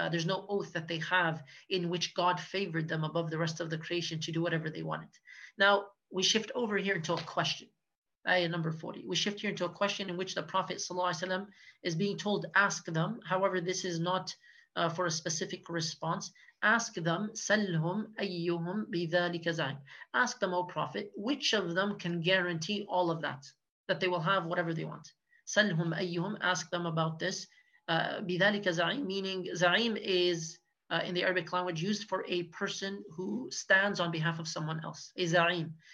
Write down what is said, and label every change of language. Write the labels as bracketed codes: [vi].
[en] There's no oath that they have in which God favored them above the rest of the creation to do whatever they wanted. Now, we shift over here into a question. Ayah number 40. We shift here into a question in which the Prophet sallallahu alaihi wasallam is being told, ask them. However, this is not for a specific response. Ask them, [ar] سَلْهُمْ أَيُّهُمْ بِذَلِكَ زَعِمْ. [en] Ask them, O Prophet, which of them can guarantee all of that, that they will have whatever they want. [ar] سَلْهُمْ أَيُّهُمْ. [en] Ask them about this. [ar] بِذَلِكَ زَعِمْ, [en] meaning زَعِمْ is, in the Arabic language, used for a person who stands on behalf of someone else, a زَعِمْ.